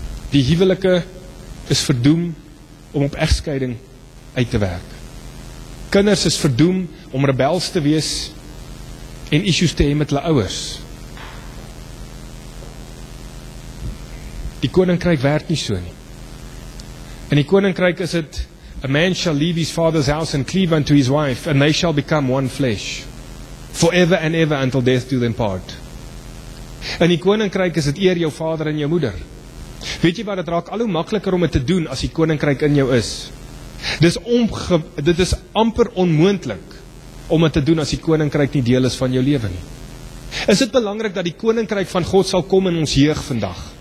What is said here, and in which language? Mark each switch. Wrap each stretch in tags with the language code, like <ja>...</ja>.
<af>Die huwelike is verdoem om op egskeiding uit te werk. Kinders is verdoem om rebels te wees en issues te hê met hulle ouers. Die koninkryk werk nie so nie. In die koninkryk is dit</af> <en>a man shall leave his father's house and cleave unto his wife and they shall become one flesh forever and ever until death do them part.</en> <af>In die koninkryk is dit eer jou vader en jou moeder. Weet jy wat, dit raak al hoe makliker om dit te doen as die koninkryk in jou is. Dit is amper onmoontlik om dit te doen as die koninkryk nie deel is van jou lewe nie. Is dit belangrik dat die koninkryk van God sal kom in ons jeug vandag?</af>